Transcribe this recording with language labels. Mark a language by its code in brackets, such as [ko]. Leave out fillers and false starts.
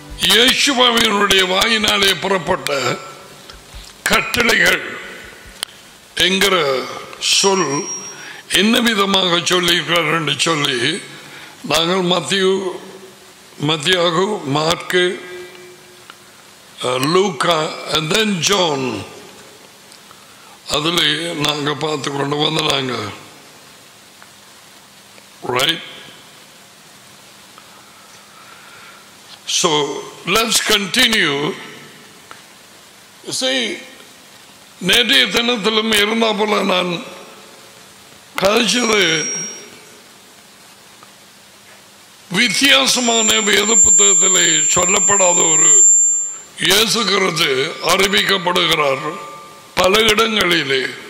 [ta] இயேசுவினுடைய வாயினாலே புறப்பட்ட கட்டளைகள் என்கிற சொல் என்ன விதமாக சொல்லியிருக்கிறார் என்று சொல்லி நாங்கள் மத்தியாகு mark Luca and then John அதில் நாங்கள் பார்த்து கொண்டு வந்தாங்க. [en] Right, so let's continue. [ta] See, நேற்றைய தினத்திலும் இருந்தா போல நான் கழிச்சது வித்தியாசமான வேத புத்தகத்திலே சொல்லப்படாத ஒரு இயேசு கிறிஸ்து அறிவிக்கப்படுகிறார் பல இடங்களிலே.